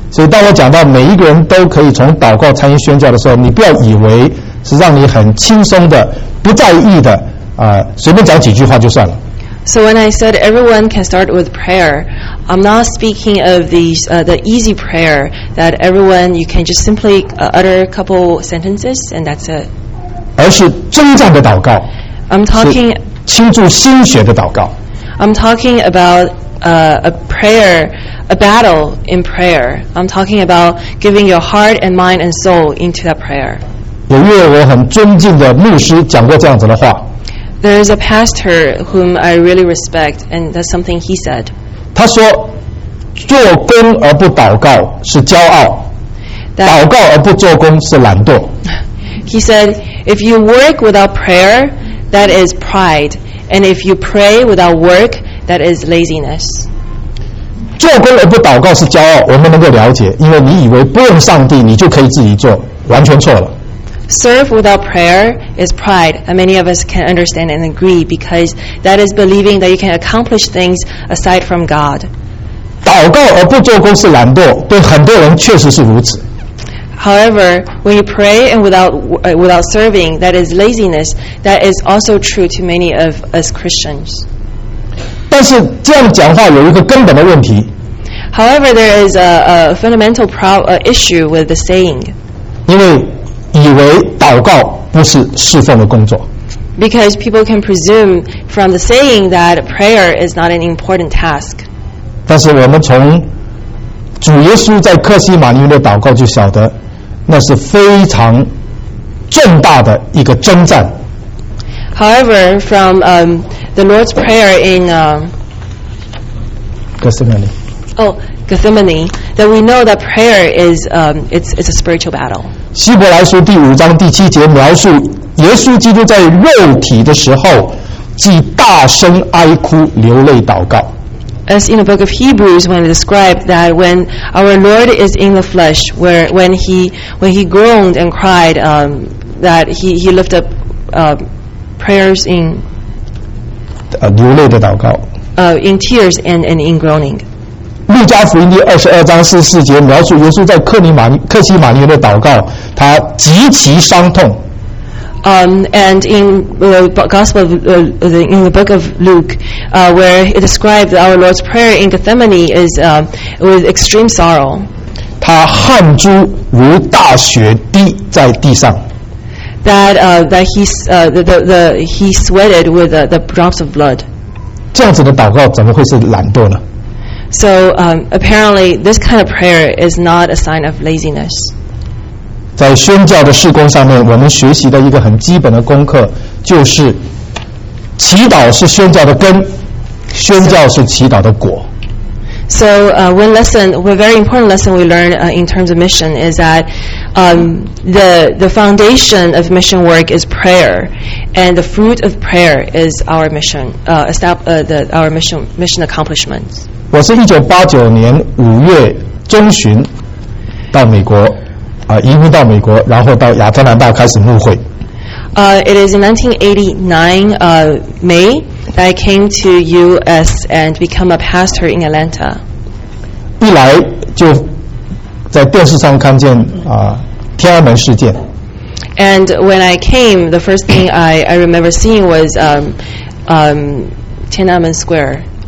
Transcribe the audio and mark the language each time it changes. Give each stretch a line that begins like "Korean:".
Chinese: 所以当我讲到每一个人都可以从祷告参与宣教的时候，你不要以为是让你很轻松的、不在意的随便讲几句话就算了。
English: So when I said everyone can start with prayer, I'm not speaking of the easy prayer that everyone you can just simply utter a couple sentences and that's it.
Chinese: 而是征战的祷告。
English: I'm talking
Chinese: 倾注心血的祷告。
English: I'm talking about a prayer, a battle in prayer. I'm talking about giving your heart and mind and soul into that prayer.
Chinese: 有一位我很尊敬的牧师讲过这样子的话。
English: There is a pastor whom I really respect, and that's something he said.
Chinese: 他说，做工而不祷告是骄傲，祷告而不做工是懒惰。
English: He said, if you work without prayer, that is pride, and if you pray without work, that is laziness.
Chinese: 做工而不祷告是骄傲，我们能够了解，因为你以为不用上帝，你就可以自己做，完全错了。
English: Serve without prayer is pride, and many of us can understand and agree because that is believing that you can accomplish things aside from God.
Chinese: 祷告而不做工是懒惰，对很多人确实是如此。
English: However, when you pray and without serving, that is laziness. That is also true to many of us Christians.
Chinese: 但是这样讲话有一个根本的问题。
English: However, there is a fundamental issue with the saying.
Chinese: 因为以为祷告不是侍奉的工作。
English: Because people can presume from the saying that prayer is not an important task.
Chinese: 但是我们从主耶稣在客西马尼园的祷告就晓得，那是非常重大的一个征战。
English: However, from the Lord's prayer in Gethsemane. Oh, Gethsemane, that we know that prayer is it's a spiritual battle.
Chinese: 希伯来书第五章第七节描述耶稣基督在肉体的时候既大声哀哭流泪祷告。
English: As in the book of Hebrews when it described that when our Lord is in the flesh where when he groaned and cried that he lift up prayers in
Chinese: 流泪的祷告
English: in tears and in groaning。
Chinese: 路加福音第二十二章四十四节描述耶稣在克西马尼园的祷告，他极其伤痛。
English: And in the Gospel of in the book of Luke, where it describes our Lord's prayer in Gethsemane is with extreme sorrow.
Chinese: 他汗珠如大雪滴在地上。
English: That he sweated with the drops of blood.
Chinese: 这样子的祷告怎么会是懒惰呢？
English: So apparently, this kind of prayer is not a sign of laziness.
Chinese: 在宣教的事工上面，我们学习的一个很基本的功课就是，祈祷是宣教的根，宣教是祈祷的果。
English: So one very important lesson we learn in terms of mission is that the foundation of mission work is prayer, and the fruit of prayer is our mission our mission accomplishments.
Chinese: 我是1989年5月中旬到美国移民到美国，然后到亚特兰大开始牧会。
English: It is in 1989 May that I came to US and become a pastor in Atlanta.
Chinese: 一来就在电视上看见天安门事件。
English: And when I came, the first thing I remember seeing was Tiananmen Square.